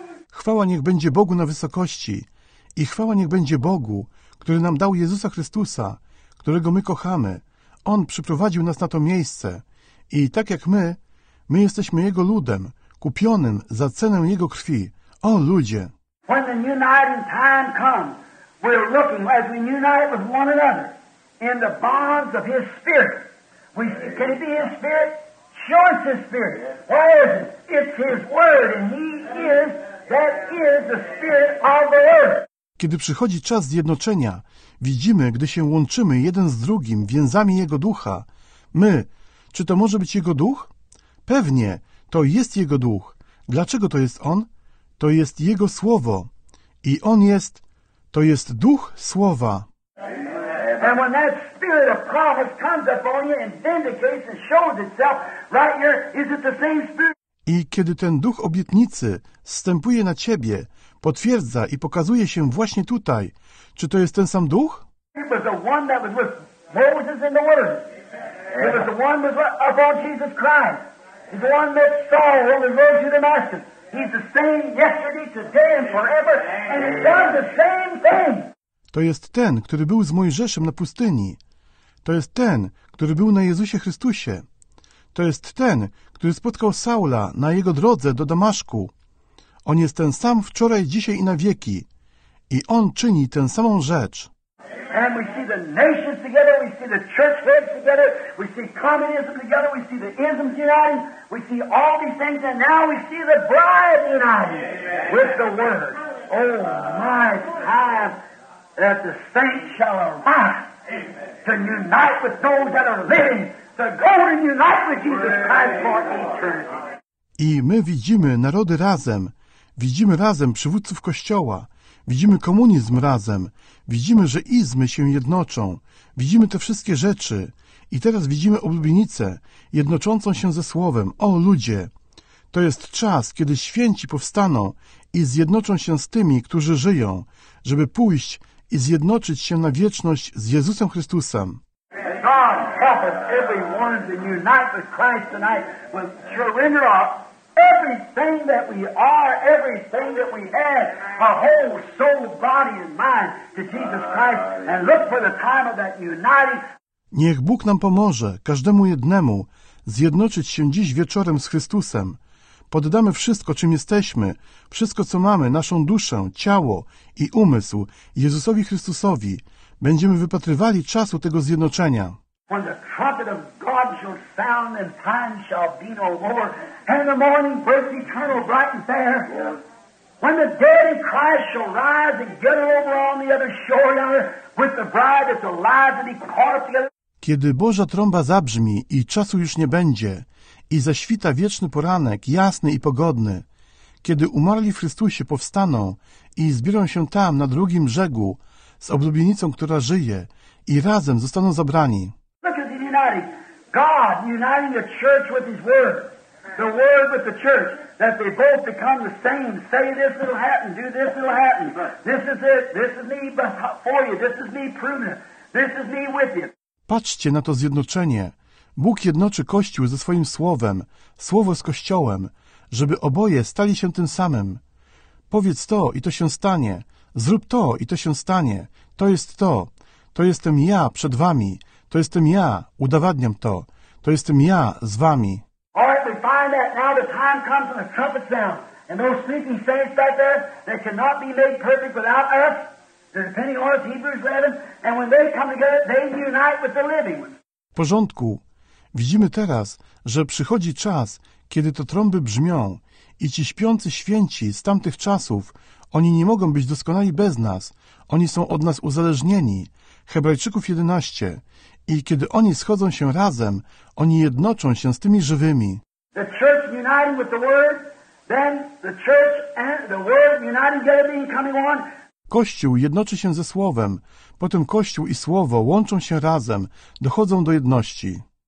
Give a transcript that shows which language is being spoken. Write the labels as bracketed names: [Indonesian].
[Polish] Chwała niech będzie Bogu na wysokości i chwała niech będzie Bogu, który nam dał Jezusa Chrystusa, którego my kochamy. On przyprowadził nas na to miejsce i tak jak my jesteśmy Jego ludem, kupionym za cenę Jego krwi. O ludzie! [English] When the uniting time comes, we're looking as we unite with one another in the bonds of His Spirit. Can it be His Spirit? Sure, it's His Spirit. Why is it? It's His Word, and He is, that is the Spirit of the Word. [Polish] Kiedy przychodzi czas zjednoczenia, widzimy, gdy się łączymy jeden z drugim więzami Jego Ducha. My, czy to może być Jego Duch? Pewnie, to jest Jego Duch. Dlaczego to jest On? To jest Jego Słowo. I On jest, to jest Duch Słowa. [English] And when that spirit of promise comes upon you and vindicates and shows itself right here, is it the same spirit? [Polish] I kiedy ten duch obietnicy zstępuje na ciebie, potwierdza i pokazuje się właśnie tutaj, czy to jest ten sam duch? [English] It was the one that was with Moses in the wilderness. It was the one that was upon Jesus Christ. He's the one that saw on the road to Damascus. He's the same yesterday, today and forever, and he does the same thing. [Polish] To jest ten, który był z Mojżeszem na pustyni. To jest ten, który był na Jezusie Chrystusie. To jest ten, który spotkał Saula na jego drodze do Damaszku. On jest ten sam wczoraj, dzisiaj i na wieki. I on czyni tę samą rzecz. [English] And we see the nations together, we see the church heads together, we see communism together, we see the isms united, we see all these things, and now we see the bride united with the word. Oh my God! That the saints shall arise to unite with those that are living, to go and unite with Jesus Christ for eternity. [Polish] I my widzimy narody razem, widzimy razem przywódców Kościoła, widzimy komunizm razem, widzimy, że izmy się jednoczą, widzimy te wszystkie rzeczy i teraz widzimy oblubienicę jednoczącą się ze Słowem. O ludzie, to jest czas, kiedy święci powstaną i zjednoczą się z tymi, którzy żyją, żeby pójść i zjednoczyć się na wieczność z Jezusem Chrystusem. [English] God help us everyone to unite with Christ tonight. We'll surrender up everything that we are, everything that we have, our whole soul, body and mind to Jesus Christ and look for the time of that uniting. [Polish] Niech Bóg nam pomoże, każdemu jednemu, zjednoczyć się dziś wieczorem z Chrystusem. Poddamy wszystko, czym jesteśmy, wszystko, co mamy, naszą duszę, ciało i umysł Jezusowi Chrystusowi. Będziemy wypatrywali czasu tego zjednoczenia. [English] When the trumpet of God shall sound and time shall be no more, and the morning breaks eternal bright and fair, when the dead in Christ shall rise and get over on the other shore yonder with the bride that's alive that he caught up together. [Polish] Kiedy Boża trąba zabrzmi i czasu już nie będzie, i zaświta wieczny poranek, jasny i pogodny, kiedy umarli w Chrystusie powstaną i zbiorą się tam na drugim brzegu z oblubienicą, która żyje, i razem zostaną zabrani. [English] Look at the uniting. God uniting the church with His word. The word with the church. That they both become the same. Say this will happen, do this will happen. This is it. This is me for you. This is me proving it. This is me with you. [Polish] Patrzcie na to zjednoczenie. Bóg jednoczy Kościół ze swoim Słowem, Słowo z Kościołem, żeby oboje stali się tym samym. Powiedz to i to się stanie. Zrób to i to się stanie. To jest to. To jestem ja przed wami. To jestem ja. Udowadniam to. To jestem ja z wami. [English] All right, we find that now the time comes when the trumpet sounds. And those sleeping saints back there, they cannot be made perfect without us. They're depending on us, Hebrews 11. And when they come together, they unite with the living. [Polish] W porządku. Widzimy teraz, że przychodzi czas, kiedy to trąby brzmią i ci śpiący święci z tamtych czasów, oni nie mogą być doskonali bez nas, oni są od nas uzależnieni. Hebrajczyków 11. I kiedy oni schodzą się razem, oni jednoczą się z tymi żywymi. [English] The church uniting with the word, then the church and the word uniting together becoming one. [Polish] Kościół jednoczy się ze Słowem, potem Kościół i Słowo łączą się razem, dochodzą do jedności.